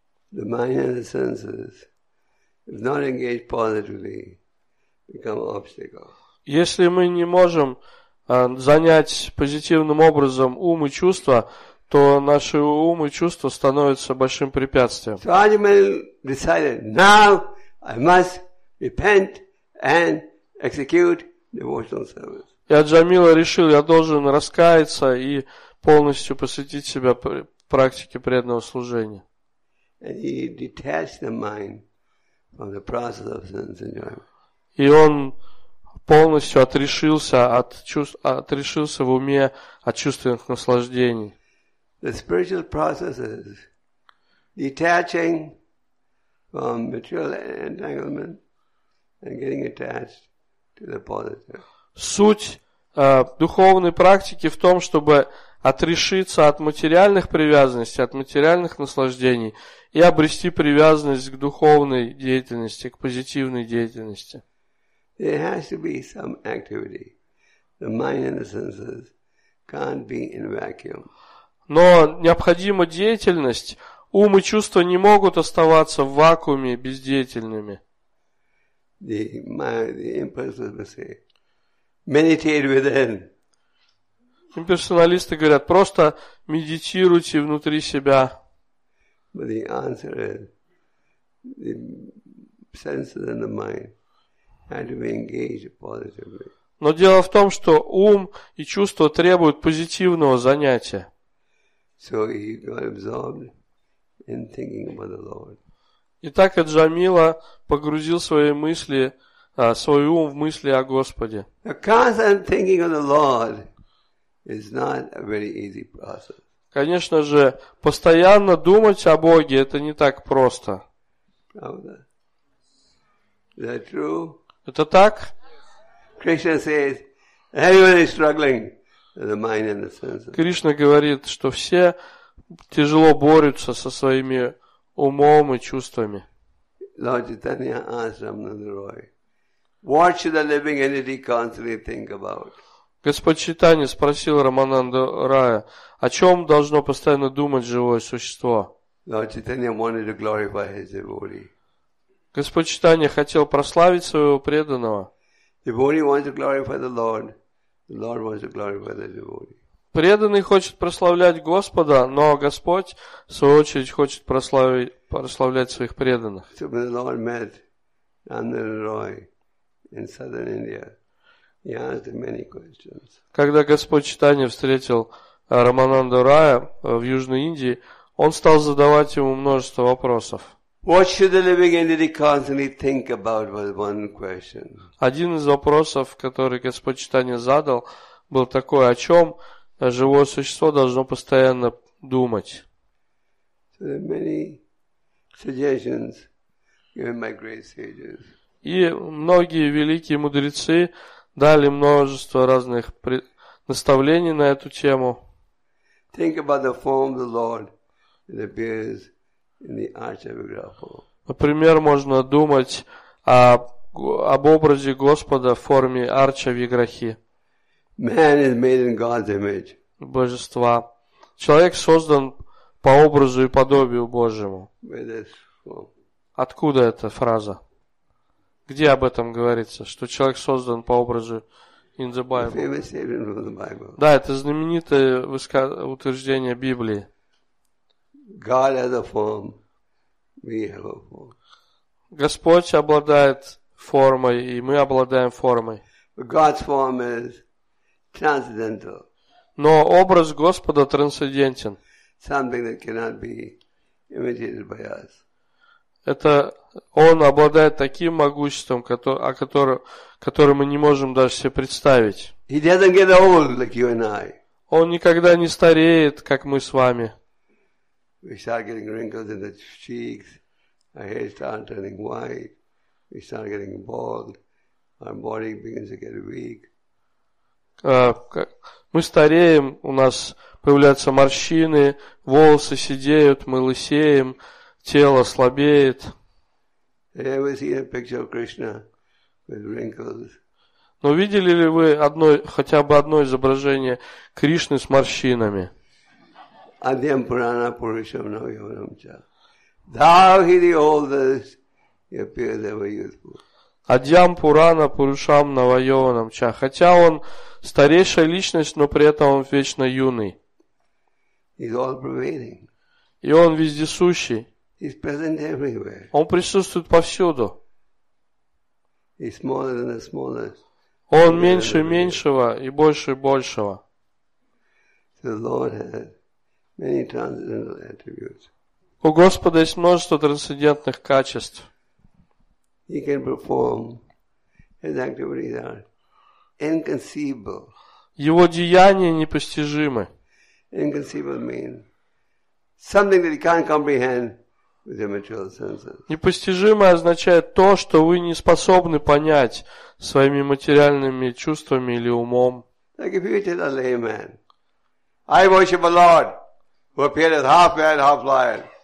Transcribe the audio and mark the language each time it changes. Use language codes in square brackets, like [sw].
[ru] Если мы не можем занять позитивным образом ум и чувства, то наши ум и чувства становятся большим препятствием. [en] So Ajman decided, now I must repent and execute devotional service. [ru] И Аджамила решил, я должен раскаяться и полностью посвятить себя практике преданного служения. [en] And he detached the mind from the process of sense enjoyment. [ru] И он полностью отрешился от чувств, отрешился в уме от чувственных наслаждений. [en] The spiritual process is detaching from material entanglement and getting attached to the positive. [ru] Суть духовной практики в том, чтобы отрешиться от материальных привязанностей, от материальных наслаждений и обрести привязанность к духовной деятельности, к позитивной деятельности. [en] There has to be some activity. The mind and the senses can't be in vacuum. [ru] Но необходима деятельность, ум и чувства не могут оставаться в вакууме бездеятельными. Имперсоналисты говорят, просто медитируйте внутри себя. [en] But the answer is, the senses and the mind have to be engaged positively. [ru] Но дело в том, что ум и чувства требуют позитивного занятия. [en] So he got absorbed in thinking about the Lord. [ru] Итак, Аджамила погрузил свои мысли, свой ум в мысли о Господе. [en] The constant thinking of the Lord is not a very easy process. [ru] Конечно же, постоянно думать о Боге это не так просто. Правда? [en] Is that true? [ru] Это так? [en] Krishna says, everybody is struggling. The mind and the senses. [ru] Кришна говорит, что все тяжело борются со своими умом и чувствами. [en] Lord Chaitanya asked Ramana Roy, what should a living entity constantly think about? [ru] Господь Чайтанья спросил Рамананда Рая, о чем должно постоянно думать живое существо? [en] Lord Chaitanya wanted to glorify his devotee. [ru] Господь Чайтанья хотел прославить своего преданного. [en] Devotee wanted to glorify the Lord. The Lord wants to glorify the devotee. [ru] Преданный хочет прославлять Господа, но Господь, в свою очередь, хочет прославлять своих преданных. [en] So when the Lord met Ananda Roy in southern India, he asked him many questions. [ru] Когда Господь Чайтанья встретил Рамананду Рая в Южной Индии, он стал задавать ему множество вопросов. [en] What should the living entity constantly think about was one question. [ru] Один из вопросов, который Господь Чайтанья задал, был такой, о чем живое существо должно постоянно думать. [en] So there are many suggestions given by great sages. [ru] И многие великие мудрецы дали множество разных наставлений на эту тему. [en] Think about the form of the Lord that appears. In the Archivigraph. [ru] Например, можно думать об образе Господа в форме Арчавиграхи. [en] Man is made in God's image. [ru] Божества. Человек создан по образу и подобию Божьему. [en] Where this from? [ru] Откуда эта фраза? Где об этом говорится, что человек создан по образу [en] in the Bible? The famous statement from the Bible. [ru] Да, это знаменитое утверждение Библии. [en] God has a form, we have a form. [ru] Господь обладает формой, и мы обладаем формой. [en] But God's form is transcendental. [ru] Но образ Господа трансцендентен. [en] Something that cannot be imitated by us. [ru] Это он обладает таким могуществом, которое мы не можем даже себе представить. [en] He doesn't get old like you and I. [ru] Он никогда не стареет, как мы с вами. [en] We start getting wrinkles in the cheeks, our hair starts turning white, we start getting bald, our body begins to get weak. [ru] Мы стареем, у нас появляются морщины, волосы седеют, мы лысеем, тело слабеет. [en] Have you ever seen a picture of Krishna with wrinkles? [ru] Но видели ли вы хотя бы одно изображение Кришны с морщинами? [sa] Adhyam Purana Purusham Navayavaramcha. [en] Thou he the oldest, he appears ever youthful. [sa] Адьям Пурана Пурушам Навайованам Ча. [ru] Хотя он старейшая личность, но при этом он вечно юный. [en] He's all pervading. [ru] И он вездесущий. [en] He's present everywhere. [ru] Он присутствует повсюду. [en] He's smaller than the smallest. [ru] Он меньше меньшего и больше большего. [en] The Lord has many transcendental attributes. [ru] У Господа есть множество трансцендентных качеств. [en] He can perform his activities are inconceivable. [ru] Его деяния непостижимы. [en] Inconceivable means something that he can't comprehend with your material senses. [ru] Непостижимое означает то, что вы не способны понять своими материальными чувствами или умом. [en] Like if you tell a layman, I worship a Lord who appeared as half man, half lion.